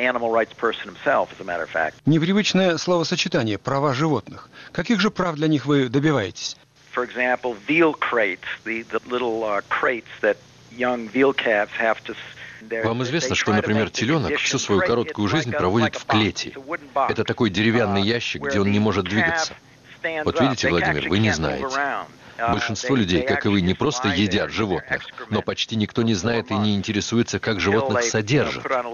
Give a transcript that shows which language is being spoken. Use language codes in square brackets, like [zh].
[ru] Непривычное словосочетание «права животных». Каких же прав для них вы добиваетесь? [en] For example, veal crates, the little crates that young veal calves have to... [ru] Вам известно, что, например, теленок всю свою короткую жизнь проводит в клете. Это такой деревянный ящик, где он не может двигаться. Вот видите, Владимир, вы не знаете. Большинство людей, как и вы, не просто едят животных, но почти никто не знает и не интересуется, как животных содержат.